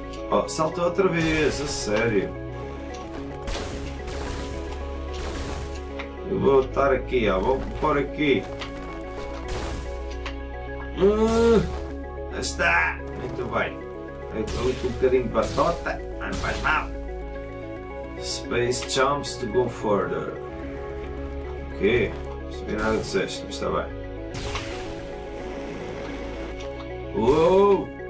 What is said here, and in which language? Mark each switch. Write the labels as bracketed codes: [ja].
[pt] Oh, salta outra vez, a sério! Eu vou estar aqui, ó. Vou pôr aqui. Está! Muito bem. Eu estou um bocadinho de batota. Não faz mal. [en] Space jumps to go further. [pt] Ok. Não sabia nada que disseste, mas está bem. Uou!